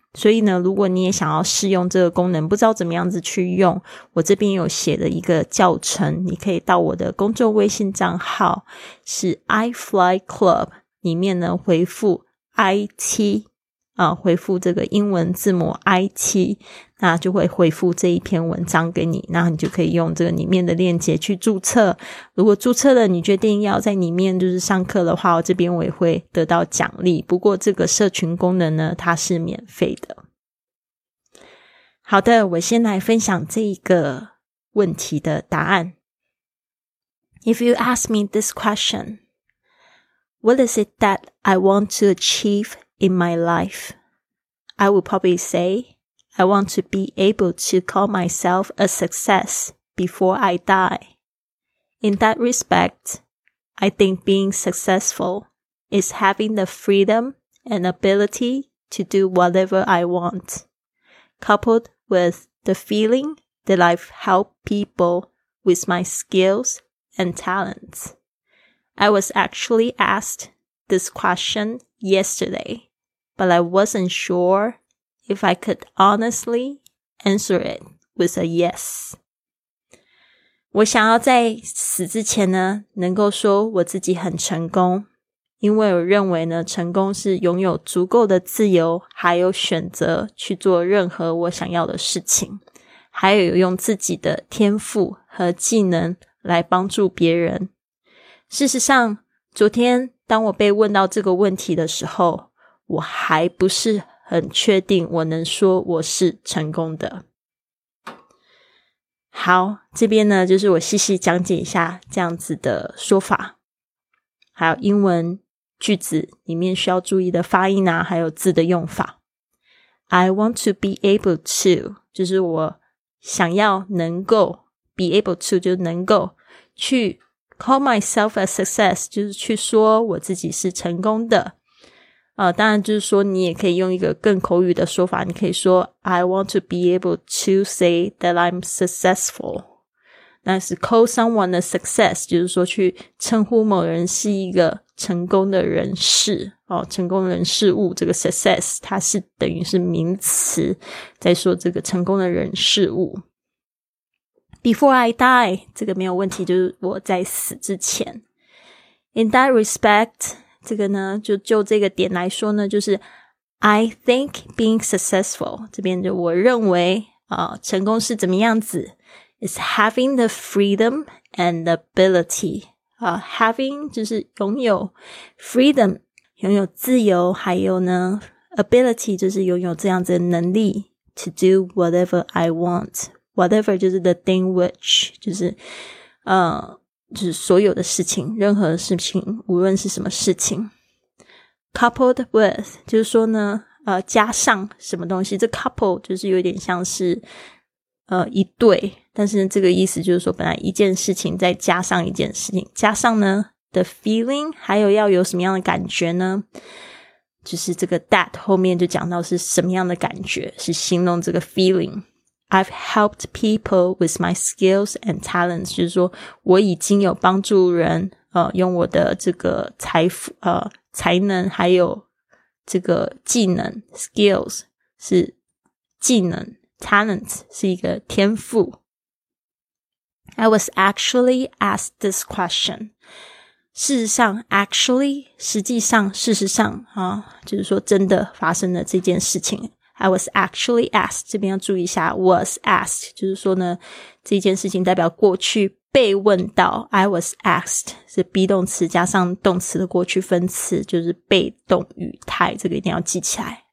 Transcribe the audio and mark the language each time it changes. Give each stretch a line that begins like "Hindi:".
Chinese: 所以呢，如果你也想要试用这个功能，不知道怎么样子去用，我这边有写了一个教程，你可以到我的公众微信账号是 iFlyClub里面呢，回复 IT 啊，回复这个英文字母 IT， 那就会回复这一篇文章给你，那你就可以用这个里面的链接去注册。如果注册了你决定要在里面就是上课的话，我这边我也会得到奖励，不过这个社群功能呢它是免费的。好的，我先来分享这一个问题的答案。
English: If you ask me this questionWhat is it that I want to achieve in my life? I would probably say, I want to be able to call myself a success before I die. In that respect, I think being successful is having the freedom and ability to do whatever I want, coupled with the feeling that I've helped people with my skills and talents. I was actually asked this question yesterday, but I wasn't sure if I could honestly answer it with a yes.
Chinese: 我想要在死之前呢，能够说我自己很成功，因为我认为呢，成功是拥有足够的自由，还有选择去做任何我想要的事情，还有用自己的天赋和技能来帮助别人。事实上，昨天当我被问到这个问题的时候，我还不是很确定我能说我是成功的。好，这边呢，就是我细细讲解一下这样子的说法，还有英文句子里面需要注意的发音啊，还有字的用法。
English: I want to be able to，
Chinese: 就是我想要能够
English: be able to，
Chinese: 就能够去
English: Call myself a success，
Chinese: 就是去说我自己是成功的。当然就是说你也可以用一个更口语的说法，你可以说
English: I want to be able to say that I'm successful。
Chinese: 那是
English: call someone a success，
Chinese: 就是说去称呼某人是一个成功的人士，成功人事物。这个 success 它是等于是名词，在说这个成功的人事物。
English: Before I die，
Chinese: 这个没有问题，就是我在死之前。
English: In that respect，
Chinese: 这个呢，就这个点来说呢，就是
English: I think being successful，
Chinese: 这边就我认为成功是怎么样子。
English: It's having the freedom and ability，
Chinese: having 就是拥有 freedom， 拥有自由，还有呢 ability 就是拥有这样子的能力
English: to do whatever I want。 Whatever
Chinese: 就是
English: the thing which，
Chinese: 就是就是所有的事情，任何事情，无论是什么事情。
English: coupled with,
Chinese: 就是说呢，加上什么东西，这 couple 就是有点像是一对，但是这个意思就是说本来一件事情再加上一件事情，加上呢
English: the feeling,
Chinese: 还有要有什么样的感觉呢，就是这个 that 后面就讲到是什么样的感觉，是形容这个 feeling。
English: I've helped people with my skills and talents,
Chinese: 就是说我已经有帮助人用我的这个才能还有这个技能 skills 是技能 talent 是一个天赋。
English: I was actually asked this question.
Chinese: 事实上 actually 实际上事实上就是说真的发生了这件事情。
English: I was actually asked,
Chinese: 这边要注意一下
English: was asked,
Chinese: 就是说呢这件事情代表过去被问到
English: I was asked,
Chinese: 是 be 动词加上动词的过去分词，就是被动语态，这个一定要记起来。